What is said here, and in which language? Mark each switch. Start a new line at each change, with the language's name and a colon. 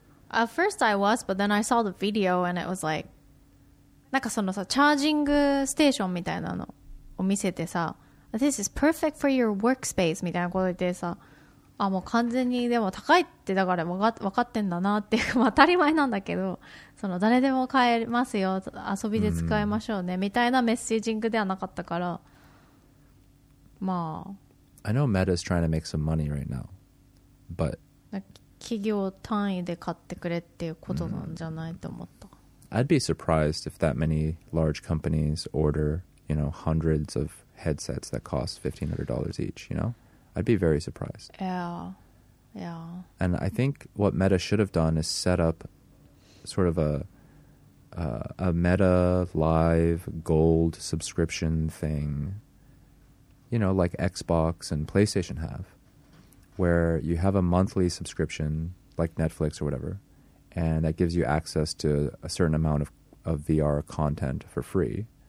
English: At first I was, but then I saw the video and it was like,
Japanese: なんかそのさ、チャージングステーションみたいなのを見せてさ、
English: This is perfect for your workspace
Japanese: みたいなこと言ってさ、あ、もう完全にでも高いってだから分かってんだなっていう、当たり前なんだけど、その誰でも買えますよ、遊びで使いましょうね、みたいなメッセージングではなかったから、まあ。
English: I know Meta is trying to make some money right now, but
Japanese: 企業単位で買ってくれっていうことなんじゃないと思った。
English: I'd be surprised if that many large companies order, you know, hundreds of headsets that cost $1,500 each, you know? I'd be very surprised. Yeah. And I think what Meta should have done is set up sort of a Meta Live Gold subscription thing, you know, like Xbox and PlayStation have, where you have a monthly subscription like Netflix or whatever, and that gives you access to a certain amount of VR content for free.